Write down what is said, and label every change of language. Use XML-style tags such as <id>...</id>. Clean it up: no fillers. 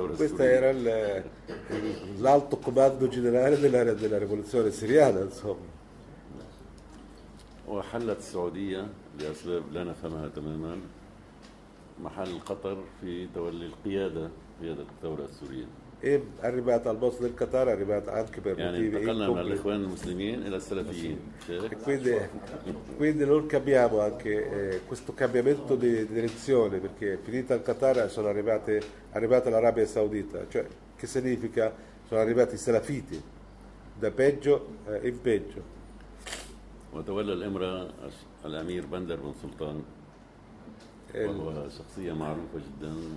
<it>Questo era l'alto comando generale della rivoluzione siriana, insomma.</it> <ar>وحلت السعودية لأسباب لا نفهمها تماما محل قطر في تولي القيادة في هذه الثورة السورية.</ar> <it>إيه arrivata al posto del Qatar arrivata anche per motivi.</it> <ar>يعني انتقلنا من الإخوان المسلمين إلى السلفيين.</ar> <it>quindi non capiamo anche questo cambiamento di direzione, perché finita il Qatar sono arrivata l'Arabia Saudita, cioè che significa sono arrivati i salafiti da peggio in peggio.</it> <ar>وتولى الإمرة الأمير بندر بن سلطان وهو شخصية معروفة جدا</ar>